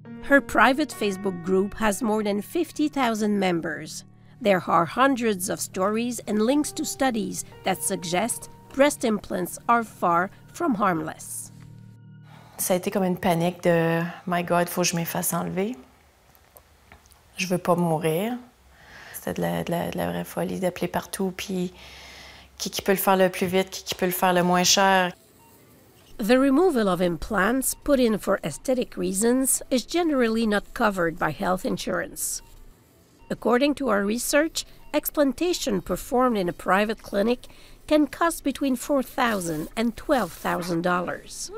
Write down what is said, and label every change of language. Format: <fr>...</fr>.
<en>Her private Facebook group has more than 50,000 members. There are hundreds of stories and links to studies that suggest breast implants are far from harmless.</en> <fr>Ça a été comme une panique de «</fr> <en>My God,</en> <fr>faut que je me fasse enlever. Je veux pas mourir. » C'était de la vraie folie d'appeler partout, puis qui peut le faire le plus vite, qui peut le faire le moins cher.</fr> <en>The removal of implants, put in for aesthetic reasons, is generally not covered by health insurance. According to our research, explantation performed in a private clinic can cost between $4,000 and $12,000.</en>